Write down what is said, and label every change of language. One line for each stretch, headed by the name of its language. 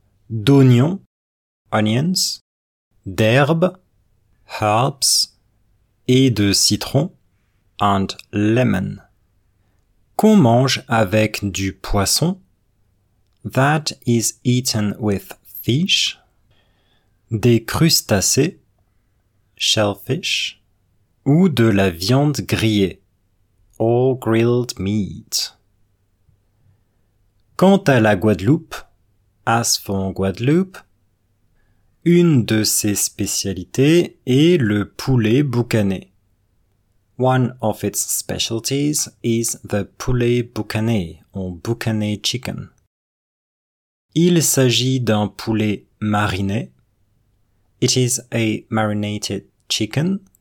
French: d'oignons,
English: onions,
French: d'herbes,
English: herbs,
French: et de citron,
English: and lemon,
French: qu'on mange avec du poisson,
English: that is eaten with fish,
French: des crustacés,
English: shellfish,
French: ou de la viande grillée,
English: or grilled meat.
French: Quant à la Guadeloupe,
English: as for Guadeloupe,
French: une de ses spécialités est le poulet boucané.
English: One of its specialties is the poulet boucané, or boucané chicken.
French: Il s'agit d'un poulet mariné.
English: It is a marinated chicken.